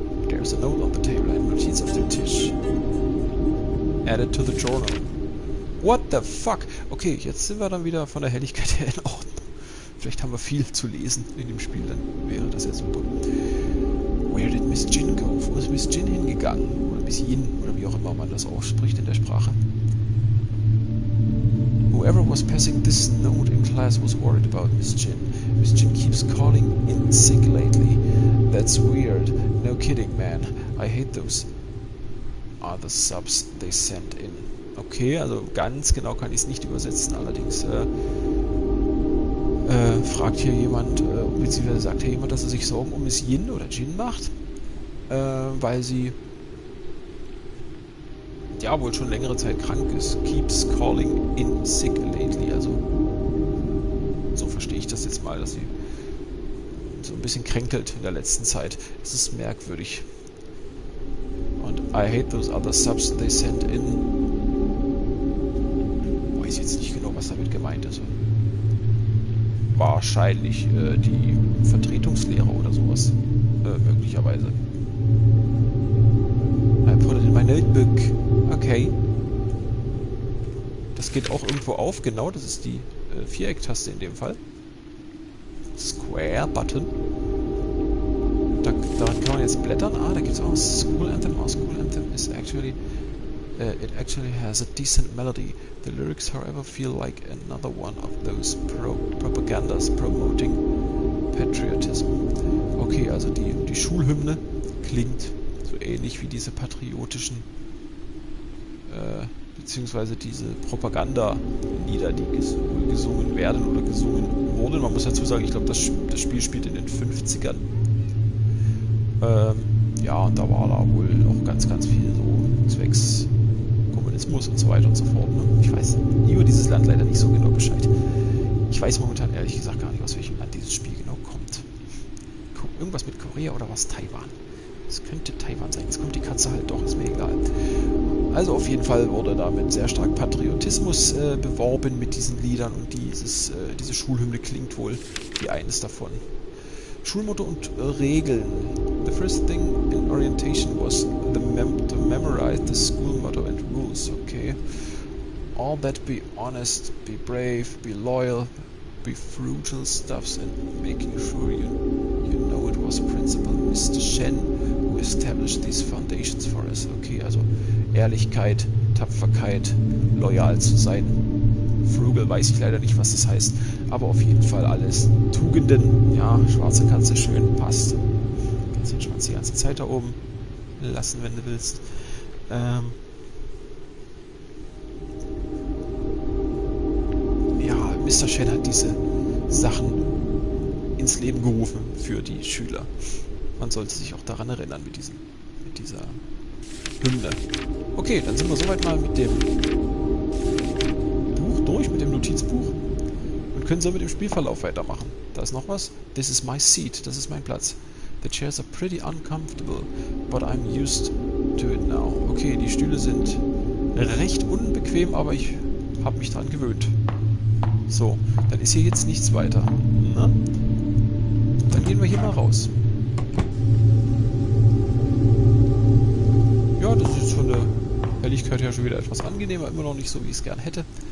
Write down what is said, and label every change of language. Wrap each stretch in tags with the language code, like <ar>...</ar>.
<en>There's a note on the table.</en> <de>Eine Notiz auf dem Tisch.</de> <en>Added to the journal. What the fuck?</en> <de>Okay, jetzt sind wir dann wieder von der Helligkeit her in Ordnung. Vielleicht haben wir viel zu lesen in dem Spiel, dann wäre das ja super.</de> <en>Where did Miss Jin go?</en> <de>Wo ist Miss Jin hingegangen? Oder Miss Yin, oder wie auch immer man das ausspricht in der Sprache.</de> <en>Whoever was passing this note in class was worried about Miss Jin. Miss Jin keeps calling in sick lately. That's weird. No kidding, man. I hate those other subs they sent in.</en> <de>Okay, also ganz genau kann ich es nicht übersetzen. Allerdings fragt hier jemand, beziehungsweise sagt hier jemand, dass er sich Sorgen um Miss Yin oder Jin macht, weil sie ja wohl schon längere Zeit krank ist.</de> <en>Keeps calling in sick lately.</en> <de>Also so verstehe ich das jetzt mal, dass sie so ein bisschen kränkelt in der letzten Zeit. Es ist merkwürdig.</de> <en>Und I hate those other subs they sent in.</en> <de>Weiß jetzt nicht genau, was damit gemeint ist. Wahrscheinlich die Vertretungslehre oder sowas. Möglicherweise.</de> <en>I put it in my notebook. Okay.</en> <de>Das geht auch irgendwo auf. Genau, das ist die Viereck-Taste in dem Fall.</de> <en>Square Button.</en> <de>Daran kann man jetzt blättern. Ah, da gibt es auch School Anthem.</de> <en>Oh, School Anthem is actually. It actually has a decent melody. The lyrics, however, feel like another one of those propagandas promoting patriotism.</en> <de>Okay, also die Schulhymne klingt so ähnlich wie diese patriotischen. Beziehungsweise diese Propaganda-Lieder, die gesungen werden oder gesungen wurden. Man muss dazu sagen, ich glaube, das Spiel spielt in den 50ern. Ja, und da war da wohl auch ganz, ganz viel so zwecks Kommunismus und so weiter und so fort. Ne? Ich weiß über dieses Land leider nicht so genau Bescheid. Ich weiß momentan ehrlich gesagt gar nicht, aus welchem Land dieses Spiel genau kommt. Irgendwas mit Korea oder was? Taiwan. Es könnte Taiwan sein. Jetzt kommt die Katze halt doch, ist mir egal. Also auf jeden Fall wurde damit sehr stark Patriotismus beworben mit diesen Liedern und diese Schulhymne klingt wohl wie eines davon. Schulmotto und Regeln.</de> <en>The first thing in orientation was to memorize the school motto and rules, okay. All that be honest, be brave, be loyal, be frugal stuffs and making sure you know it was Principal Mr. Shen who established these foundations for us, okay.</en> <de>Also Ehrlichkeit, Tapferkeit, loyal zu sein. Frugal weiß ich leider nicht, was das heißt. Aber auf jeden Fall alles Tugenden. Ja, schwarze Katze, schön, passt. Kannst den Schwanz die ganze Zeit da oben lassen, wenn du willst. Ja, Mr. Shen hat diese Sachen ins Leben gerufen für die Schüler. Man sollte sich auch daran erinnern mit dieser Hymne. Okay, dann sind wir soweit mal mit dem Buch durch, mit dem Notizbuch. Und können so mit dem Spielverlauf weitermachen. Da ist noch was.</de> <en>This is my seat.</en> <de>Das ist mein Platz.</de> <en>The chairs are pretty uncomfortable, but I'm used to it now.</en> <de>Okay, die Stühle sind recht unbequem, aber ich habe mich daran gewöhnt. So, dann ist hier jetzt nichts weiter. Na? Dann gehen wir hier mal raus. Ja, das ist von der Helligkeit her schon wieder etwas angenehmer. Immer noch nicht so, wie ich es gern hätte.</de>